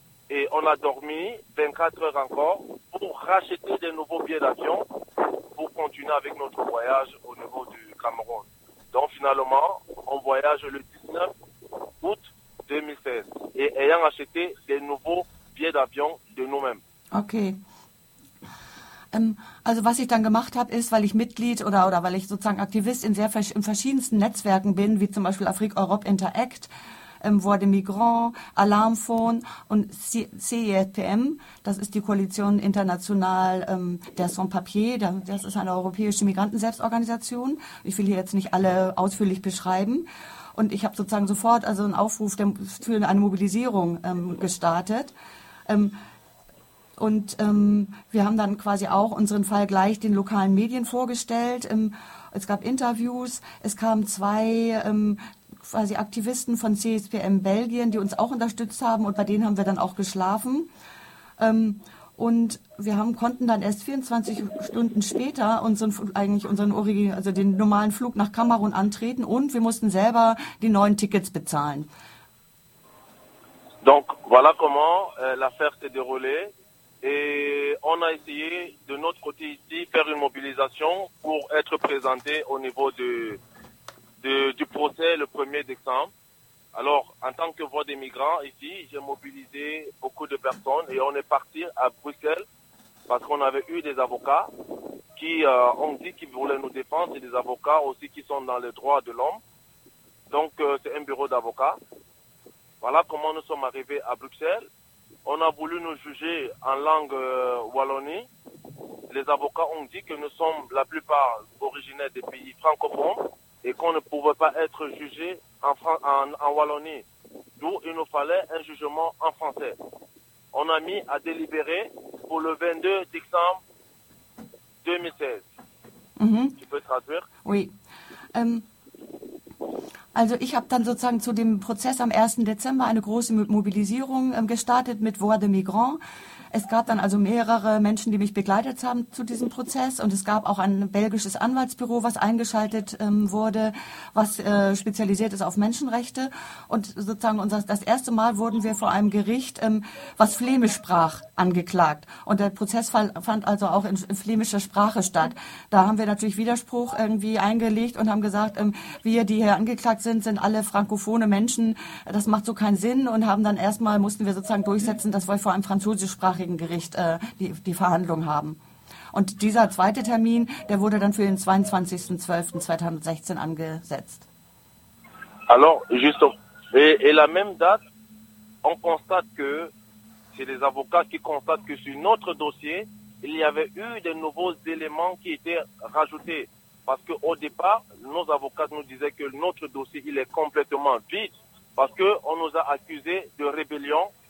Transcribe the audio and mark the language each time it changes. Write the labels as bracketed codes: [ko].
[fr] Et on a dormi 24 heures encore pour racheter des nouveaux billets d'avion pour continuer avec notre voyage au niveau du Cameroun. Donc finalement, on voyage le 19 août 2016 et ayant acheté des nouveaux billets d'avion de nous-mêmes. Ok. [de] Also was ich dann gemacht habe, ist, weil ich Mitglied oder weil ich sozusagen Aktivist in verschiedensten Netzwerken bin, wie zum Beispiel Afrique Europe Interact, Voix des Migrants, Alarmphone und CIFPM, das ist die Koalition International der Sans-Papiers, das ist eine europäische Migranten-Selbstorganisation. Ich will hier jetzt nicht alle ausführlich beschreiben. Und ich habe sozusagen sofort also einen Aufruf für eine Mobilisierung gestartet. Und wir haben dann quasi auch unseren Fall gleich den lokalen Medien vorgestellt. Es gab Interviews, es kamen 2 quasi Aktivisten von CSPM Belgien, die uns auch unterstützt haben und bei denen haben wir dann auch geschlafen. Und wir konnten dann erst 24 Stunden später den normalen Flug nach Kamerun antreten und wir mussten selber die 9 Tickets bezahlen. [fr] Donc voilà comment l'affaire s'est déroulée. Et on a essayé de notre côté ici faire une mobilisation pour être présenté au niveau du procès le 1er décembre. Alors, en tant que voix des migrants ici, j'ai mobilisé beaucoup de personnes et on est parti à Bruxelles parce qu'on avait eu des avocats qui ont dit qu'ils voulaient nous défendre. C'est des avocats aussi qui sont dans les droits de l'homme. Donc, c'est un bureau d'avocats. Voilà comment nous sommes arrivés à Bruxelles. On a voulu nous juger en langue wallonie. Les avocats ont dit que nous sommes la plupart originaires des pays francophones et qu'on ne pouvait pas être jugé en Wallonie. D'où il nous fallait un jugement en français. on a mis à délibérer pour le 22 décembre 2016. Mm-hmm. Tu peux traduire? Oui. [de] Also ich habe dann sozusagen zu dem Prozess am 1. Dezember eine große Mobilisierung gestartet mit Voix de Migrants. Es gab dann also mehrere Menschen, die mich begleitet haben zu diesem Prozess. Und es gab auch ein belgisches Anwaltsbüro, was eingeschaltet wurde, was spezialisiert ist auf Menschenrechte. Und sozusagen unser, das erste Mal wurden wir vor einem Gericht, was Flämisch sprach, angeklagt. Und der Prozess fand also auch in flämischer Sprache statt. Da haben wir natürlich Widerspruch irgendwie eingelegt und haben gesagt, wir, die hier angeklagt sind, sind alle frankophone Menschen. Das macht so keinen Sinn. Und haben dann erstmal, mussten wir sozusagen durchsetzen, dass wir vor einem französisch sprachigen Gericht die Verhandlung haben. Und dieser zweite Termin, der wurde dann für den 22.12.2016 angesetzt. [fr] Alors, juste, et la même date, on constate que c'est les avocats qui constatent que sur notre dossier, il y avait eu de nouveaux éléments qui étaient rajoutés. Parce qu'au départ, nos avocats nous disaient que notre dossier, il est complètement vide, parce qu'on nous a accusés de rébellion.